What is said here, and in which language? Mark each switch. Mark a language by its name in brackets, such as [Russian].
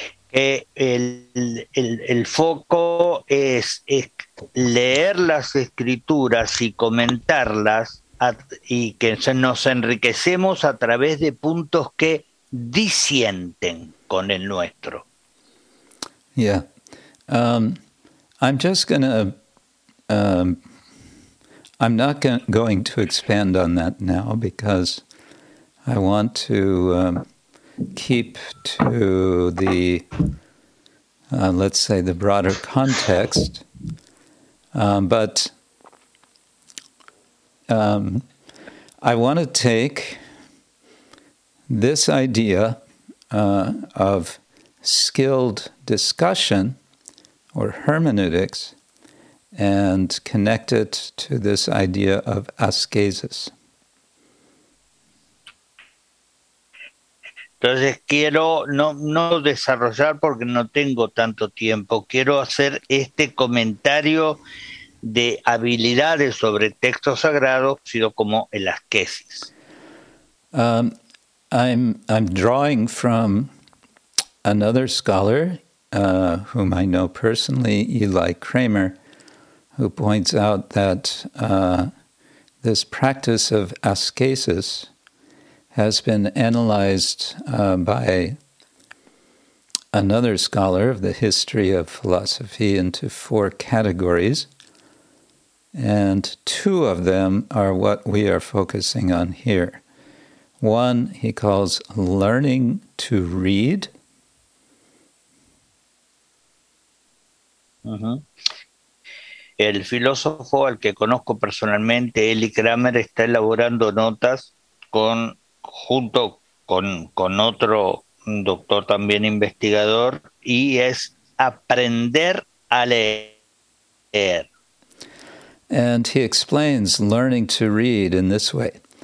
[Spanish] El foco es leer las escrituras y comentarlas y que nos enriquecemos a través de puntos que disienten con el nuestro. [English] Yeah. I'm just going to, I'm not going to expand on that now because I want to keep to the, let's say, the broader context. But I want to take this idea of skilled discussion or hermeneutics and connect it to this idea of askesis. [Spanish] Entonces quiero no desarrollar porque no tengo tanto tiempo. Quiero hacer este comentario de habilidades sobre textos sagrados, sido como el askesis. [English] I'm drawing from another scholar whom I know personally, Eli Kramer, who points out that this practice of askesis has been analyzed by another scholar of the history of philosophy into four categories, and two of them are what we are focusing on here. One he calls learning to read. Uh-huh. [Spanish] El filósofo al que conozco personalmente, Eli Kramer, está elaborando notas con junto con otro doctor también investigador, y es aprender a leer. [English] And he explains learning to read in this way.